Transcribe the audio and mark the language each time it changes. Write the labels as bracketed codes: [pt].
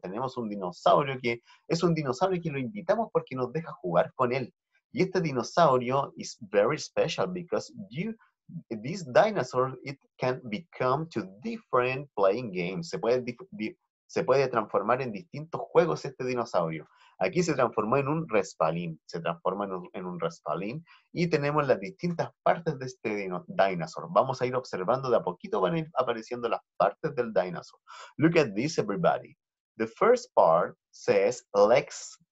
[es] Tenemos un dinosaurio que es un dinosaurio que lo invitamos porque nos deja jugar con él. Y este dinosaurio [en] is very special because this dinosaur, it can become to different playing games. [es] Se puede transformar en distintos juegos este dinosaurio. Aquí se transformó en un respalín. Se transforma en un respalín. Y tenemos las distintas partes de este dinosaur. Vamos a ir observando de a poquito, van a ir apareciendo las partes del dinosaur. [en] Look at this, everybody. The first part says legs.